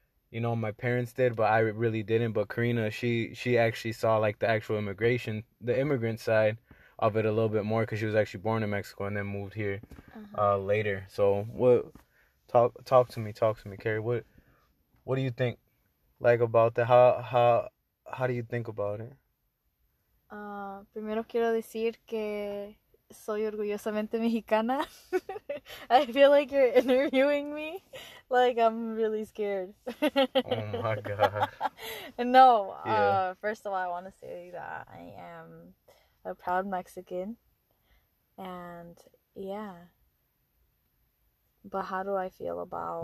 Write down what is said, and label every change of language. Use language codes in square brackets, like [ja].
[en] You know, my parents did, but I really didn't. But Karina, she actually saw, like, the actual immigration, the immigrant side of it a little bit more, because she was actually born in Mexico and then moved here later. So talk to me, Carrie. What do you think, like, about that? How do you think about it? [es] Primero quiero decir que soy orgullosamente mexicana. [en] I feel like you're interviewing me. Like, I'm really scared. Oh my god. No, yeah. First of all, I want to say that I am a proud Mexican. And yeah. But how do I feel about,